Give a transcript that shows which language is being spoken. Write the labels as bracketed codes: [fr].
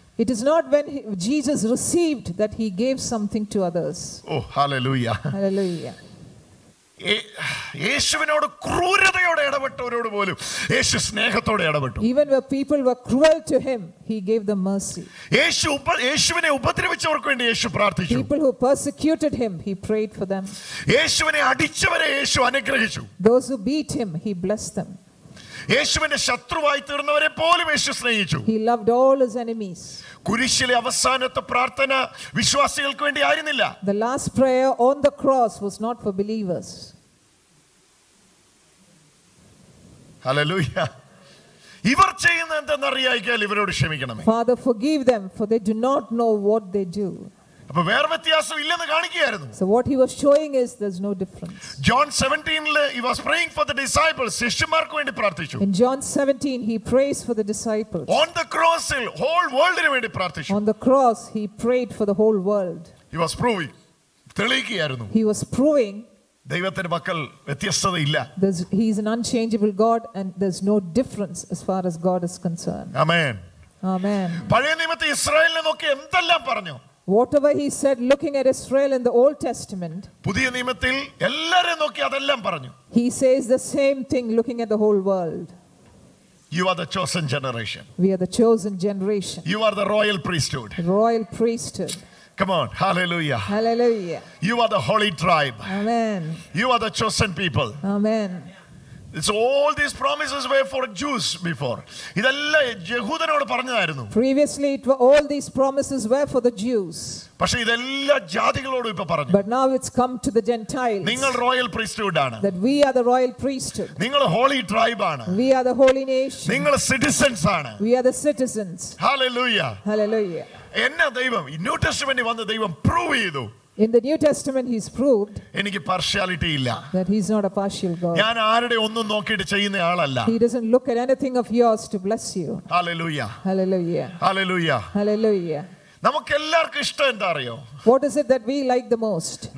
[en] It is not when Jesus received that he gave something to others. Oh, hallelujah. Hallelujah. [ml] യേശുവിനോട് ക്രൂരതയോടെ ഇടപെട്ടവരോട് പോലും യേശു സ്നേഹത്തോടെ ഇടപെട്ടു. [en] Even where people were cruel to him, he gave them mercy. [ml] യേശുവിനെ ഉപദ്രവിച്ചവർക്ക് വേണ്ടി യേശു പ്രാർത്ഥിച്ചു. [en] People who persecuted him, he prayed for them. [ml] യേശുവിനെ അടിച്ചവരെ യേശു അനുഗ്രഹിച്ചു. [en] Those who beat him, he blessed them. [ml] യേശുവിന്റെ ശത്രുവായി തീർന്നവരെ പോലും യേശു സ്നേഹിച്ചു. [en] He loved all his enemies. [ml] കുരിശിലെ അവസാനത്തെ പ്രാർത്ഥന വിശ്വാസികൾക്ക് വേണ്ടി ആയിരുന്നില്ല. [en] The last prayer on the cross was not for believers. Hallelujah. [ml] ഇവർ ചെയ്യുന്നത് എന്തെന്ന് അറിയായിക്കാൽ ഇവരോട് ക്ഷമിക്കണമേ. [en] Father forgive them for they do not know what they do. [ml] അപ്പോൾ വേറെ വ്യത്യാസം ഇല്ലെന്ന് കാണിക്കുകയായിരുന്നു. [en] So what he was showing is there's no difference. John 17 ല he was praying for the disciples. [ml] ശിഷ്യന്മാർക്ക് വേണ്ടി പ്രാർത്ഥിച്ചു. [en] In John 17 he prays for the disciples. On the cross he whole worldന് [ml] വേണ്ടി പ്രാർത്ഥിച്ചു. [en] On the cross he prayed for the whole world. He was proving. [ml] തെളിയിക്കുകയായിരുന്നു. [en] He was proving [ml] ദൈവത്തിന്റെ മക്കൾ വ്യത്യസ്തത ഇല്ല. [en] He is an unchangeable God and there's no difference as far as God is concerned. Amen. Amen. [ml] പഴയ നിയമത്തെ ഇസ്രായേലിനെ നോക്കി എന്തെല്ലാം പറഞ്ഞു. [en] Whatever he said looking at Israel in the Old Testament. [ml] പുതിയ നിയമത്തിൽ എല്ലാരെ നോക്കി അതെല്ലാം പറഞ്ഞു. [en] He says the same thing looking at the whole world. You are the chosen generation. We are the chosen generation. You are the royal priesthood. Royal priesthood. Come on, hallelujah. Hallelujah. You are the holy tribe. Amen. You are the chosen people. Amen. It's all these promises were for Jews before. [ml] ഇതല്ല യഹൂദനോട് പറഞ്ഞതായിരുന്നു. [en] Previously it were all these promises were for the Jews. [ml] പക്ഷേ ഇതെല്ലാ ജാതികളോടും ഇപ്പോ പറഞ്ഞു. [en] But now it's come to the Gentiles. [ml] നിങ്ങൾ royal priesthood ആണ്. [en] That we are the royal priesthood. [ml] നിങ്ങൾ holy tribe ആണ്. [en] We are the holy nation. [ml] നിങ്ങൾ citizens ആണ്. [en] We are the citizens. Hallelujah. Hallelujah. [ml] എന്നാ ദൈവം ഈ ന്യൂ ടെസ്റ്റമെന്റിൽ വന്ന ദൈവം പ്രൂവ് ചെയ്തു. [en] In the New Testament he's proved [ml] എനിക്ക് പാർഷ്യാലിറ്റി ഇല്ല. [en] That he's not a partial God. [ml] ഞാൻ ആരുടെ ഒന്നും നോക്കിയിട്ട് ചെയ്യുന്ന ആളല്ല. [en] He doesn't look at anything of yours to bless you. Hallelujah. Hallelujah. Hallelujah. Hallelujah. [ml] നമുക്കെല്ലാവർക്കും ഇഷ്ടം എന്താ അറിയോ? [en] What is it that we like the most?